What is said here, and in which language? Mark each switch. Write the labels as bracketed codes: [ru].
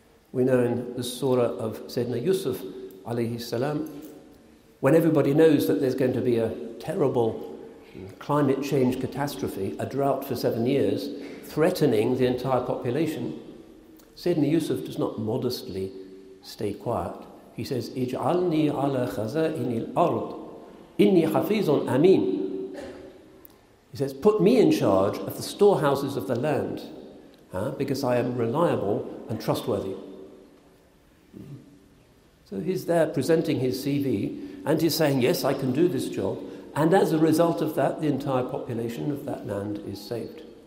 [en] We know in the surah of Sayyidina Yusuf, alayhi salam, when everybody knows that there's going to be a terrible climate change catastrophe, a drought for 7 years, threatening the entire population, Sayyidina Yusuf does not modestly stay quiet. [ar] He says, اجعلني على خزائن الأرض إني حفيظ أمين. [en] He says, put me in charge of the storehouses of the land because I am reliable and trustworthy. So he's there presenting his CV and he's saying, yes, I can do this job. And as a result of that, the entire population of that land is saved.